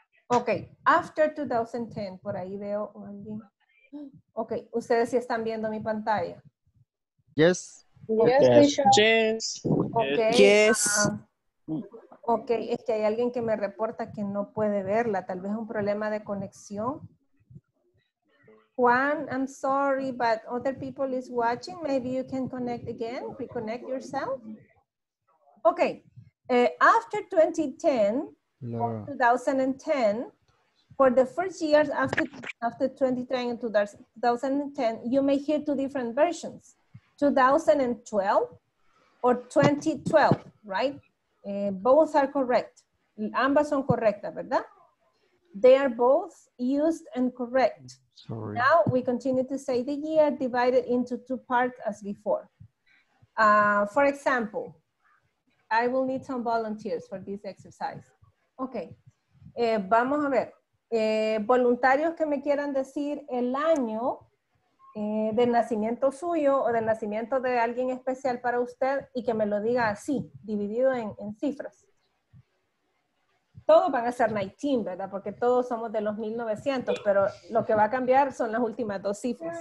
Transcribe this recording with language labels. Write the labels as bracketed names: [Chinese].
[Spanish] Ok, [English] after 2010, [Spanish] por ahí veo alguien. Ok, ustedes sí están viendo mi pantalla. [English] Yes. Yes. Okay. Yes. [Spanish] Ok, es que hay alguien que me reporta que no puede verla, tal vez un problema de conexión. [English] Juan, I'm sorry, but other people is watching. Maybe you can connect again, reconnect yourself. Okay, after 2010, for the first years after 2010 and 2010, you may hear two different versions, 2012 or 2012, right? Both are correct. [Spanish] Ambas son correctas, ¿verdad? [English] They are both used and correct. Sorry. Now we continue to say the year divided into two parts as before. For example, I will need some volunteers for this exercise. [Spanish] Okay, vamos a ver. Voluntarios que me quieran decir el año de nacimiento suyo o del nacimiento de alguien especial para usted y que me lo diga así, dividido en cifras. Todos van a ser 19, ¿verdad? Porque todos somos de los 1900, pero lo que va a cambiar son las últimas dos cifras.